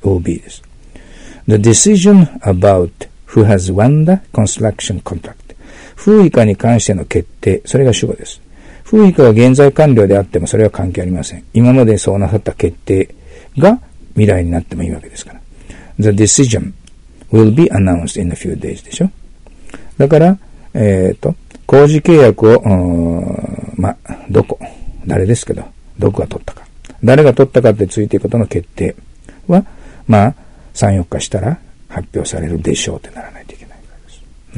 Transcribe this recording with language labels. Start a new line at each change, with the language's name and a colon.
English: will be
Japanese: です。
English: the decision about who has won the construction contract、
Japanese: フーイカに関しての決定、それが主語です。フーイカは現在完了であってもそれは関係ありません。今までそうなさった決定が未来になってもいいわけですから。
English: The decision will be announced in a few days
Japanese: でしょ。だから、工事契約を、どこ、誰ですけど、どこが取ったか。誰が取ったかってついていくことの決定は、まあ、3、4日したら発表されるでしょうってならないといけないわけです。